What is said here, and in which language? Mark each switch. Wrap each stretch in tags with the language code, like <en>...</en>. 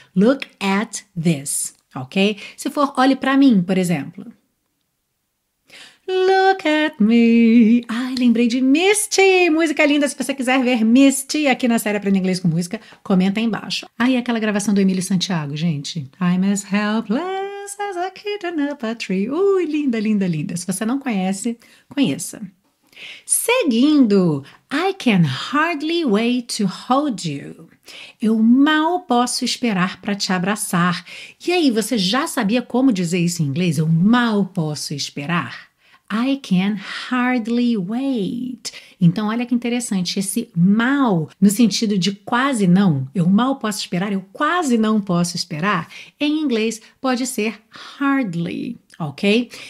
<en>Look at this, ok?</en> <pt>Se for, olhe para mim, por exemplo.</pt> <en>Look at me.</en> <pt>Ai, lembrei de Misty. Música linda. Se você quiser ver Misty aqui na série Aprenda Inglês com Música, comenta aí embaixo. Ai, ah, aquela gravação do Emílio Santiago, gente.</pt> <en>I'm as helpless as a kid in a tree.</en> <pt>Ui, linda, linda, linda. Se você não conhece, conheça. Seguindo.</pt> <en>I can hardly wait to hold you.</en> <pt>Eu mal posso esperar para te abraçar. E aí, você já sabia como dizer isso em inglês? Eu mal posso esperar.</pt> <en>I can hardly wait.</en> <pt>Então, olha que interessante, esse mal, no sentido de quase não, eu mal posso esperar, eu quase não posso esperar, em inglês pode ser hardly, ok?</pt>